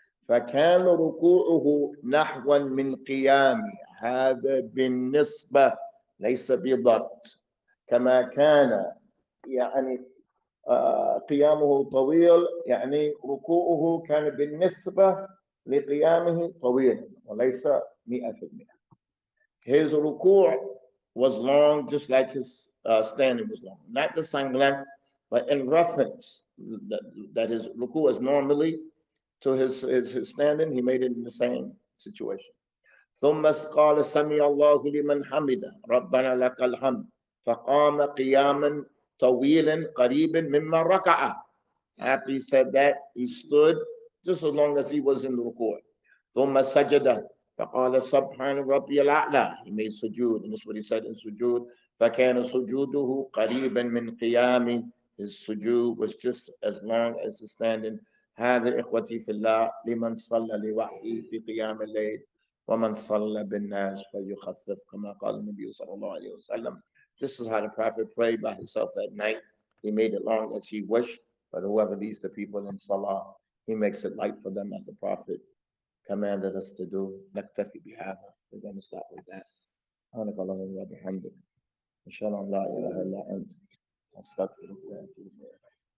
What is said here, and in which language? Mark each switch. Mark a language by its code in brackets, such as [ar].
[ar] فكان ركوعه نحو من قيامي هذا بالنسبة ليس بضبط كما كان يعني قيامه طويل يعني ركوعه كان بالنسبة لقيامه طويل وليس 100%. [en] His ركوع was long just like his standing was long, not the same length, but in reference that his ركوع is normally. So his standing, he made it in the same situation. [ar] ثم قال سمي الله لمن حمد ربنا لك الحمد فقام قياما طويلا قريبا مما ركع. [en] After he said that, he stood just as long as he was in the ركوع. [ar] ثم سجد فقال سبحان ربي الأعلى. [en] He made sujood, and this is what he said in sujood. [ar] فكان سجوده قريبا من قيامي. [en] His sujood was just as long as the standing. [ar] هذا إخوتي في الله لمن صلى لوحده في قيام الليل ومن صلى بالناس فيخفف كما قال النبي صلى الله عليه وسلم. [en] This is how the Prophet prayed by himself at night. He made it long as he wished, but whoever leads the people in Salah, he makes it light for them as the Prophet commanded us to do. [ar] نكتفي بهذا. [en] We're going to start with that. [ar] سبحانك اللهم وبحمدك. إن شاء الله لا إله إلا أنت. أستغفرك وأتوب إليك.